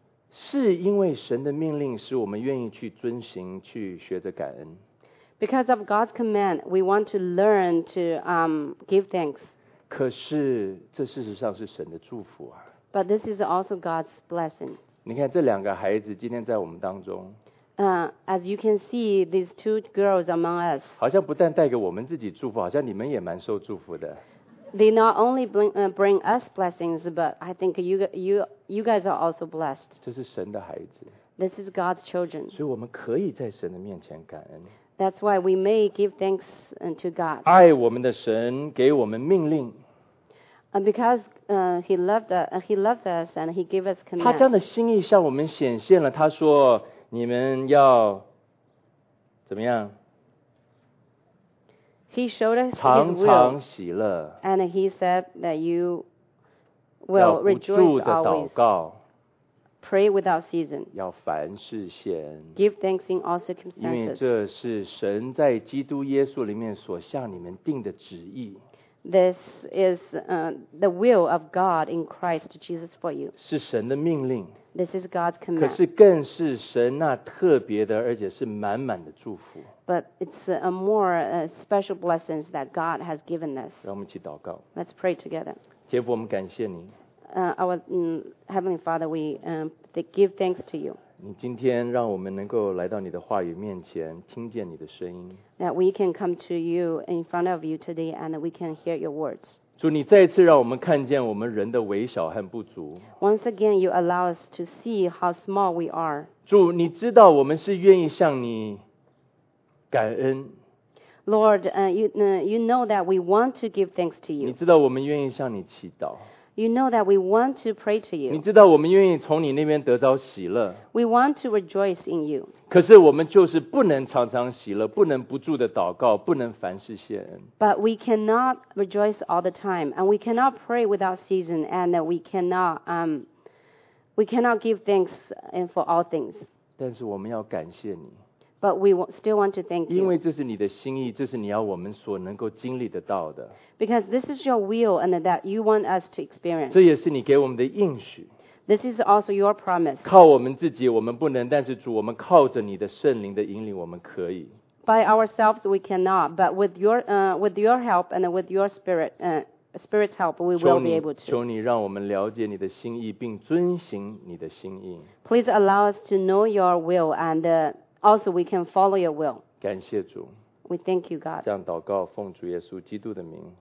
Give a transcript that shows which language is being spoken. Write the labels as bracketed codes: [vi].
[zh] 是因为神的命令使我们愿意去遵行，去学着感恩。 [en] Because of God's command, we want to learn to give thanks. [zh] 可是这事实上是神的祝福啊。 [en] But this is also God's blessing. [zh] 你看这两个孩子今天在我们当中。 [en] As you can see, these two girls among us. [zh] 好像不但带给我们自己祝福，好像你们也蛮受祝福的。 [en] They not only bring us blessings, but I think you guys are also blessed. [zh] 这是神的孩子。 [en] This is God's children. [zh] 所以我们可以在神的面前感恩。 [en] That's why we may give thanks to God. [zh] 爱我们的神给我们命令。 [en] Because he loves us and he gave us command. [zh] 他这样的心意向我们显现了，他说你们要怎么样？ [en] He showed us [zh] 常常喜乐 [en] ，and he said that you will rejoice always. Pray without ceasing. [zh] 要凡事献 [en] ，give thanks in all circumstances. [zh] 因为这是神在基督耶稣里面所向你们定的旨意。 [en] This is the will of God in Christ Jesus for you. [zh] 是神的命令。 [en] This is God's command. [zh] 可是更是神那特别的，而且是满满的祝福。 [en] But it's a more special blessings that God has given us. [zh] 让我们一起祷告。 [en] Let's pray together. [zh] 天父，我们感谢你。 [en] Heavenly Father, we give thanks to you. [zh] 你今天让我们能够来到你的话语面前，听见你的声音。 [en] That we can come to you in front of you today, and we can hear your words. [zh] 主，你再次让我们看见我们人的微小和不足。 [en] Once again, you allow us to see how small we are. [zh] 主，你知道我们是愿意向你感恩。 [en] Lord, you know that we want to give thanks to you. [zh] 你知道我们愿意向你祈祷。 [en] You know that we want to pray to you. [zh] 你知道我们愿意从你那边得着喜乐。 [en] We want to rejoice in you. [zh] 可是我们就是不能常常喜乐，不能不住的祷告，不能凡事谢恩。 [en] But we cannot rejoice all the time, and we cannot pray without season, and we cannot give thanks for all things. [zh] 但是我们要感谢你。 [en] But we still want to thank you. [zh] 因为这是你的心意，这是你要我们所能够经历得到的。 [en] Because this is your will and that you want us to experience. [zh] 这也是你给我们的应许。 [en] This is also your promise. [zh] 靠我们自己我们不能，但是主，我们靠着你的圣灵的引领我们可以。 [en] By ourselves we cannot, but with your help and with your spirit's help, we will be able to. [zh] 求你让我们了解你的心意，并遵行你的心意。 [en] Please allow us to know your will and also, we can follow your will. [zh] 感谢主。 [en] We thank you, God. [zh] 这样祷告，奉主耶稣基督的名。